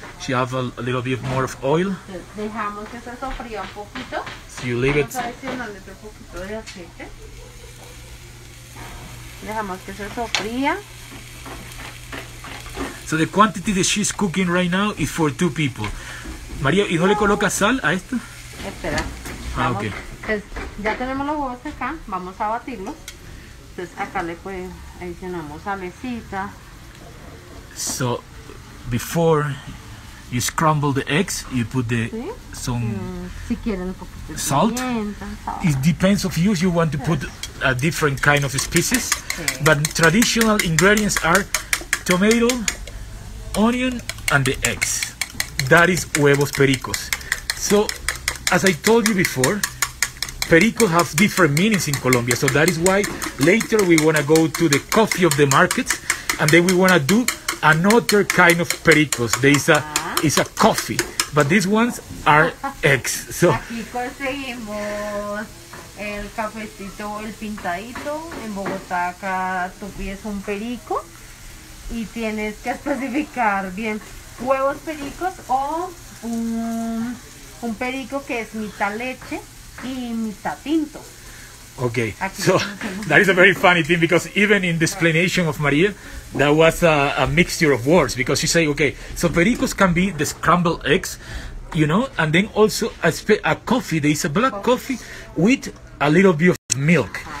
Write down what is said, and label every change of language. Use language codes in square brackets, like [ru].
[en] She have a little bit more of oil. [es] Dejamos que se sofría un poquito. [en] So you leave it. [es] Vamos a adicionarle otro poquito de aceite. Dejamos que se sofría. [en] So the quantity that she's cooking right now is for two people. [es] María, ¿y no le colocas sal a esto? Espera. Vamos. Okay. Pues ya tenemos los huevos acá, vamos a batirlos. Entonces acá le adicionamos salecita. [en] So, before you scramble the eggs, you put the [es] si quieren un poquito de [en] salt. It depends of you if you want to put a different kind of species. [es] Sí. [en] But traditional ingredients are tomato, onion, and the eggs. That is huevos pericos. So, as I told you before, pericos have different meanings in Colombia. So that is why later we want to go to the coffee of the markets, and then we want to do another kind of pericos. There is it's a coffee, but these ones are eggs. So [es] aquí conseguimos el cafecito, el pintadito. En Bogotá acá tú pides un perico y tienes que especificar bien. Huevos pericos o un perico que es mitad leche y mitad tinto. [en] Okay, so that is a very funny thing because even in the explanation of María, that was a mixture of words because she said, okay, so pericos can be the scrambled eggs, you know, and then also a coffee, there is a black coffee with a little bit of milk.